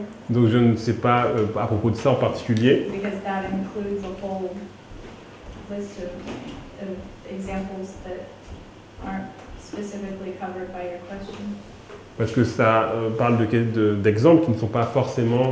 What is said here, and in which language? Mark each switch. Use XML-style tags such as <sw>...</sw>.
<fr>Donc je ne sais pas à propos de ça en particulier.</fr> <en>Because that includes a whole list of examples that aren't specifically covered by your question.</en> <fr>Parce que ça parle d'exemples qui ne sont pas forcément</fr>